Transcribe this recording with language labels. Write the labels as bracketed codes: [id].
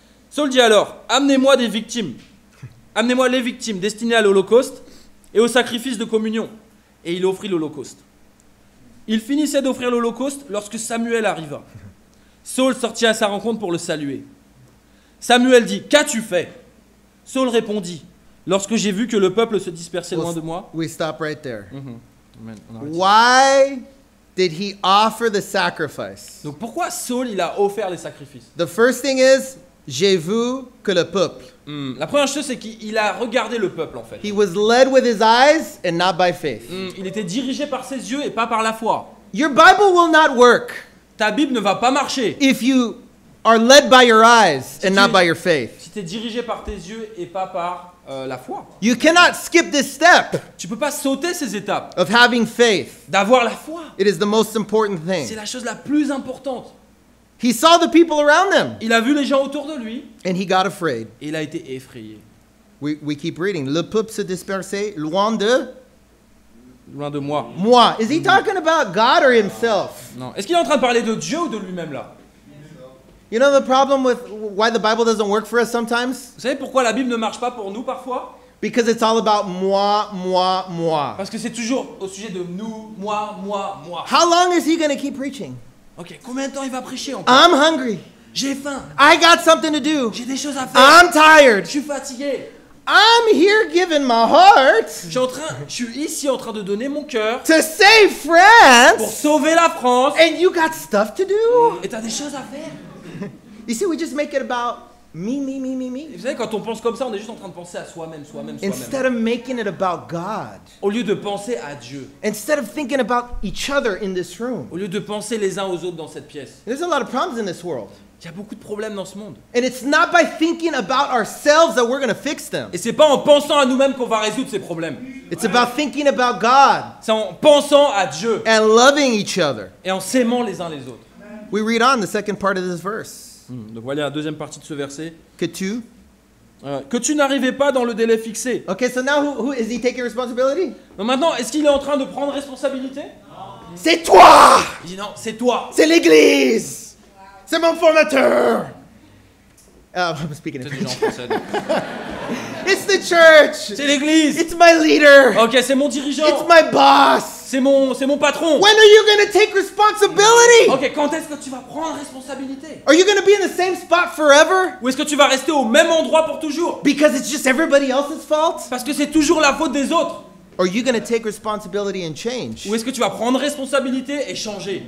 [fr] Saul dit alors, amenez-moi des victimes, amenez-moi les victimes destinées à l'Holocauste et au sacrifice de communion. Et il offrit l'Holocauste. Il finissait d'offrir l'Holocauste lorsque Samuel arriva. Saul sortit à sa rencontre pour le saluer. Samuel dit, qu'as-tu fait? Saul répondit, lorsque j'ai vu que le peuple se dispersait loin de moi. [en] We stop right there. Why did he offer the sacrifice? [fr] Donc pourquoi Saul il a offert les sacrifices? [en] The first thing is, [fr] j'ai vu que le peuple. La première chose c'est qu'il a regardé le peuple en fait. [en] He was led with his eyes and not by faith. [fr] Il était dirigé par ses yeux et pas par la foi. [en] Your Bible will not work. [fr] Ta Bible ne va pas marcher. [en] If you are led by your eyes and not by your faith. [fr] Si tu es dirigé par tes yeux et pas par la foi. [en] You cannot skip this step. [fr] Tu peux pas sauter ces étapes. [en] Of having faith. [fr] D'avoir la foi. [en] It is the most important thing. [fr] C'est la chose la plus importante. [en] He saw the people around them. [fr] Il a vu les gens autour de lui. [en] And he got afraid. [fr] Et il a été effrayé. [en] We keep reading. [fr] Le peuple se dispersait loin de. Loin de moi. Moi. [en] Is he talking about God or himself? [fr] Non. Est-ce qu'il est en train de parler de Dieu ou de lui-même là? [en] You know the problem with why the Bible doesn't work for us sometimes? [fr] Vous savez pourquoi la Bible ne marche pas pour nous parfois? [en] Because it's all about [fr] moi, moi, moi. Parce que c'est toujours au sujet de nous, moi, moi, moi. [en] How long is he going to keep preaching? [fr] Ok, combien de temps il va prêcher encore? [en] I'm hungry. [fr] J'ai faim. [en] I got something to do. [fr] J'ai des choses à faire. [en] I'm tired. [fr] Je suis fatigué. [en] I'm here giving my heart. [fr] Je suis ici en train de donner mon cœur. [en] To save France. [fr] Pour sauver la France. [en] And you got stuff to do. [fr] Et t'as des choses à faire. [en] You see, we just make it about me, me, me, me, me. [fr] Vous savez, quand on pense comme ça, on est juste en train de penser à soi-même, soi-même, soi-même. [en] Instead of making it about God. [fr] Au lieu de penser à Dieu. [en] Instead of thinking about each other in this room. [fr] Au lieu de penser les uns aux autres dans cette pièce. [en] There's a lot of problems in this world. [fr] Il y a beaucoup de problèmes dans ce monde. [en] And it's not by thinking about ourselves that we're going to fix them. [fr] Et c'est pas en pensant à nous-mêmes qu'on va résoudre ces problèmes. [en] It's about thinking about God. [fr] C'est en pensant à Dieu. [en] And loving each other. [fr] Et en s'aimant les uns les autres. [en] We read on the second part of this verse. [fr] Donc voilà la deuxième partie de ce verset. Que tu n'arrivais pas dans le délai fixé. [en] Ok, so now who is he taking responsibility? [fr] Donc maintenant, est-ce qu'il est en train de prendre responsabilité? C'est toi. Il dit non, c'est toi. C'est l'Église. Wow. C'est mon formateur. [en] I'm speaking in French. It's the church. [fr] C'est l'Église. [en] It's my leader. [fr] Ok, c'est mon dirigeant. [en] It's my boss. [fr] C'est mon patron. [en] When are you going to take responsibility? [fr] OK, quand est-ce que tu vas prendre responsabilité? [en] Are you going to be in the same spot forever? [fr] Ou est-ce que tu vas rester au même endroit pour toujours? [en] Because it's just everybody else's fault? [fr] Parce que c'est toujours la faute des autres. [en] Are you going to take responsibility and change? [fr] Ou est-ce que tu vas prendre responsabilité et changer?